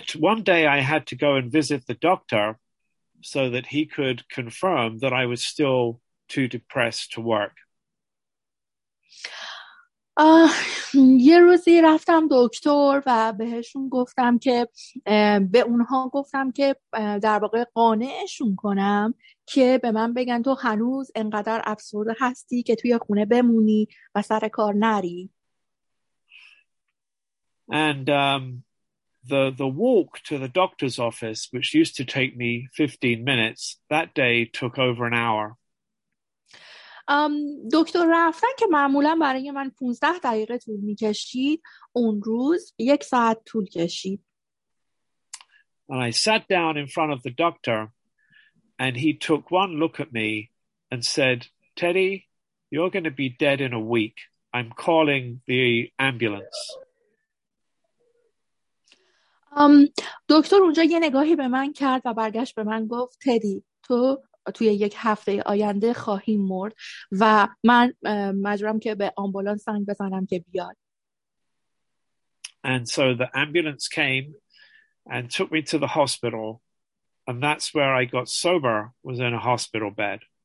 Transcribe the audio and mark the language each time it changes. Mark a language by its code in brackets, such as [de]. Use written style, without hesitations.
[en] One day I had to go and visit the doctor so that he could confirm that I was still too depressed to work. [fa] یه روزی رفتم دکتر و بهشون گفتم که به اونها گفتم که در واقع قانعشون کنم که به من بگن تو هنوز انقدر افسرده هستی که توی خونه بمونی و سر کار نری. [en] And the walk to the doctor's office, which used to take me 15 minutes, that day took over an hour. [fa] دکتر رفتن که معمولا برای من 15 دقیقه طول می کشید، اون روز یک ساعت طول کشید. [en] And I sat down in front of the doctor, and he took one look at me and said, Teddy, you're going to be dead in a week. I'm calling the ambulance. [fa] دکتر اونجا یه نگاهی به من کرد و برگشت به من گفت تدی تو توی یک هفته آینده خواهی مرد و من مجبورم که به آمبولانس زنگ بزنم که بیاد. [en] And so the ambulance came and took me to the hospital, and that's where I got sober, was in a hospital bed.